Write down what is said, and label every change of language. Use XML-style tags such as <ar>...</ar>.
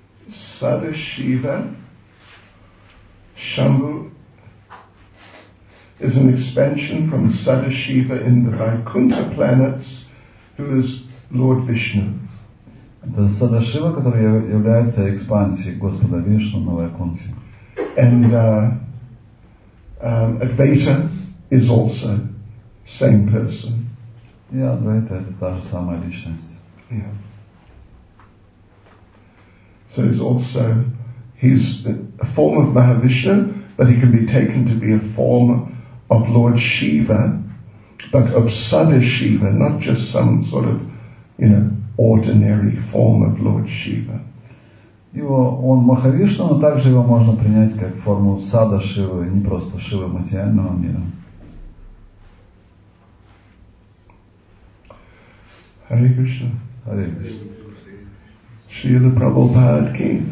<en>Sadashiva Shambhu is an expansion from Sadashiva in the Vaikuntha planets, who is Lord Vishnu.</en> <ru>Это Садашива, который является экспансией Господа Вишну на Вайкунте.</ru> <en>And Advaita is also same person.</en> <ru>Yeah, Advaita это та же самая личность.</ru> <en>Yeah. So he's a form of Mahavishnu, but he can be taken to be a form of Lord Shiva, but of Sadashiva, not just some sort of, you know, ordinary form of Lord Shiva.</en> <ru>Его он Махавишна, но также его можно принять как форму Сада Шивы, не просто Шивы материального мира.</ru> <bn>Hare Krishna. Hare Krishna. Srila Prabhupada ki.</bn>